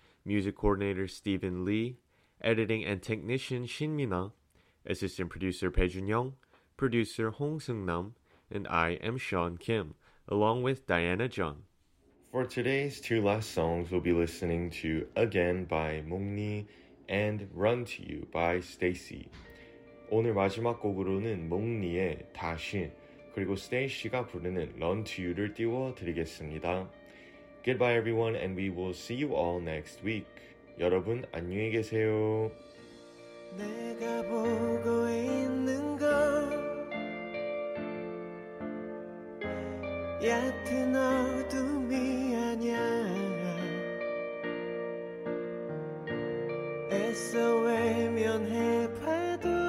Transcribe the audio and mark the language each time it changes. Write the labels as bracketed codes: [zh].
[en] music coordinator Stephen Lee, editing and technician Shin Min-a, assistant producer Pei Jun-young, producer Hong Seung-nam, and I am Sean Kim, along with Diana Jung. For today's two last songs, we'll be listening to Again by Mungni and Run to You by Stacy. [ko] 오늘 마지막 곡으로는 몽니의 다시 그리고 스테이시가 부르는 Run to You를 띄워드리겠습니다. [en] Goodbye everyone and we will see you all next week. [ko] 여러분 안녕히 계세요. 내가 보고 있는 걸 얕은 어둠이 아냐 애써 외면해봐도